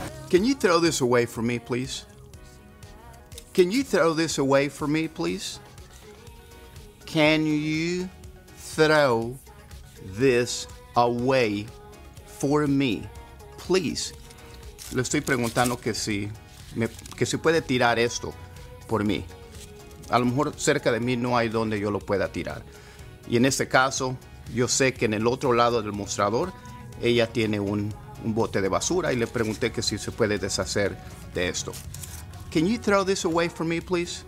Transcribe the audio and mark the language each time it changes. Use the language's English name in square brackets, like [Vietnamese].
[English] Can you throw this away for me, please? Can you throw this away for me, please? Can you throw this away for me, please? [Spanish] Le estoy preguntando que si puede tirar esto por mí. A lo mejor cerca de mí no hay donde yo lo pueda tirar. Y en este caso, yo sé que en el otro lado del mostrador, ella tiene un bote de basura y le pregunté que si se puede deshacer de esto. [English] Can you throw this away for me, please?